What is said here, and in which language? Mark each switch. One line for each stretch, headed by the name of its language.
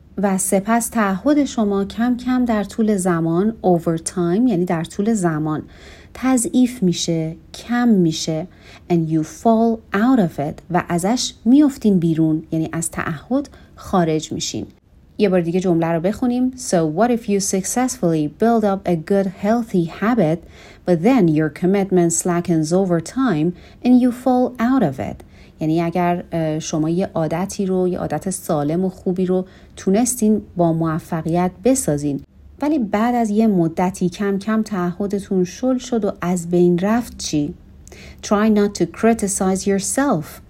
Persian: و سپس تعهد شما کم کم در طول زمان،
English: over time
Persian: یعنی در طول زمان، تضعیف میشه، کم میشه.
English: And you fall out of it.
Persian: و ازش میفتین بیرون، یعنی از تعهد خارج میشین. یه بار دیگه جمله رو بخونیم.
English: So what if you successfully build up a good healthy habit, but then your commitment slackens over time and you fall out of it.
Persian: یعنی اگر شما یه عادتی رو، یه عادت سالم و خوبی رو تونستین با موفقیت بسازین، ولی بعد از یه مدتی کم کم تعهدتون شل شد و از بین رفت چی؟
English: Try not to criticize yourself.